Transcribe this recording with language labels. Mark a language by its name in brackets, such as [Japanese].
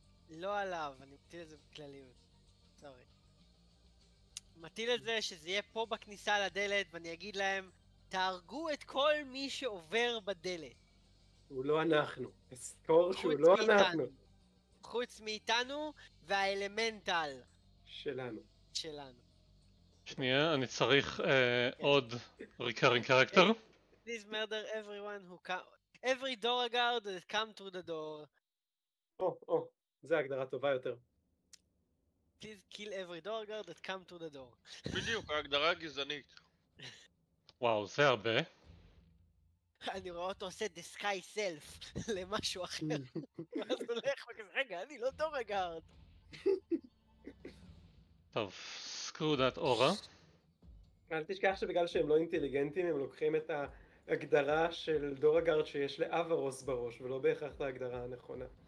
[Hebrew] לא עליו, אני מטיל את זה בכלליות. סורי. מטיל את זה שזה יהיה פה בכניסה לדלת, ואני אגיד להם, תהרגו את כל מי שעובר בדלת. הוא לא אנחנו. אסקור שהוא לא אנחנו. חוץ מאיתנו, והאלמנטל. שלנו. שלנו. שנייה, אני צריך עוד [English] recurring character. Please murder everyone who come... Every door guard has come through the door. [Hebrew] זה הגדרה טובה יותר. [English] Please kill every door guard that come through the door. [Hebrew] בדיוק, ההגדרה הגזענית. וואו, זה הרבה. אני רואה אותו עושה [English] the sky self [Hebrew] למשהו אחר. ואז הולך וכזה, רגע, אני לא [English] door guard. [Hebrew] טוב. קרו דעת אורה. אל תשכח שבגלל שהם לא אינטליגנטים הם לוקחים את ההגדרה של דורגארד שיש לאברוס בראש ולא בהכרח את ההגדרה הנכונה.